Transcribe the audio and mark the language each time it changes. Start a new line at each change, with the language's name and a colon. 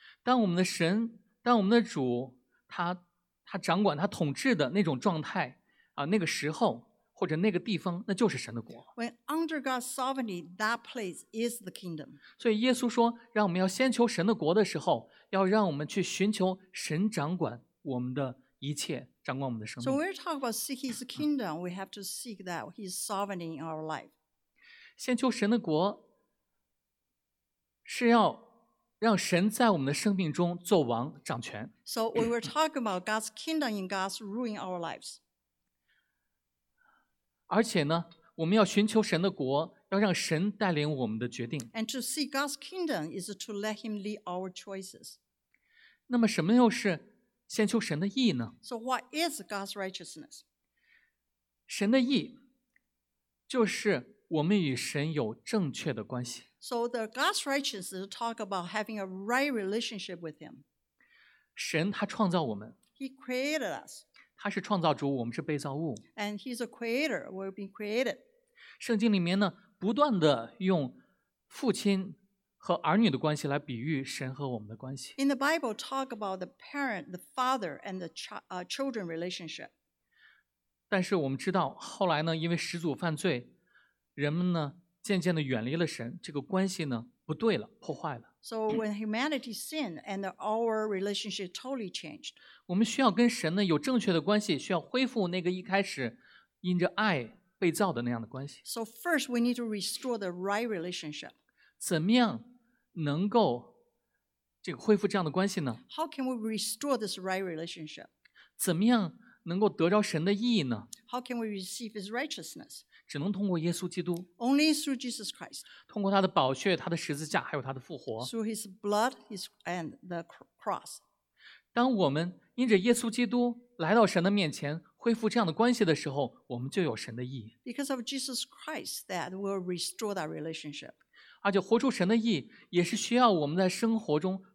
Chinese: 当我们的神，当我们的主，他掌管，他统治的那种状态啊，那个时候或者那个地方，那就是神的国。
English: When under God's sovereignty, that place is the kingdom.
Chinese: 所以耶稣说，让我们要先求神的国的时候，要让我们去寻求神掌管。我们的一切掌管我们的生命。
English: So when we talk about seek His kingdom, we have to seek that His sovereignty in our life.
Chinese: 先求神的国，是要让神在我们的生命中做王掌权。
English: So when we talk about God's kingdom in God's rule in our lives.
Chinese: 而且呢，我们要寻求神的国，要让神带领我们的决定。
English: And to seek God's kingdom is to let Him lead our choices.
Chinese: 那么什么又是？先求神的义呢？
English: So what is God's righteousness?
Chinese: 神的义就是我们与神有正确的关系。
English: So the God's righteousness talk about having a right relationship with Him.
Chinese: 神他创造我们。
English: He created us.
Chinese: 他是创造主，我们是被造物。
English: And He's a creator, we've been created.
Chinese: 圣经里面呢，不断的用父亲和儿女的关系来比喻神和我们的关系。
English: In the Bible, talk about the parent, the father, and the children relationship.
Chinese: 但是我们知道，后来呢，因为始祖犯罪，人们呢渐渐的远离了神，这个关系呢不对了，破坏了。
English: So when humanity sinned, and our relationship totally changed.
Chinese: 我们需要跟神呢有正确的关系，需要恢复那个一开始因着爱被造的那样的关系。
English: So first, we need to restore the right relationship.
Chinese: 怎么样能够这个恢复这样的关系呢？
English: How can we restore this right relationship?
Chinese: 怎么样能够得着神的义呢？
English: How can we receive His righteousness?
Chinese: 只能通过耶稣基督。
English: Only through Jesus Christ.
Chinese: 通过他的宝血、他的十字架，还有他的复活。
English: Through His blood, and the cross.
Chinese: 当我们因着耶稣基督来到神的面前，恢复这样的关系的时候，我们就有神的义。
English: Because of Jesus Christ, that will restore that relationship.
Chinese: 而且活出神的义，也是需要我们在生活中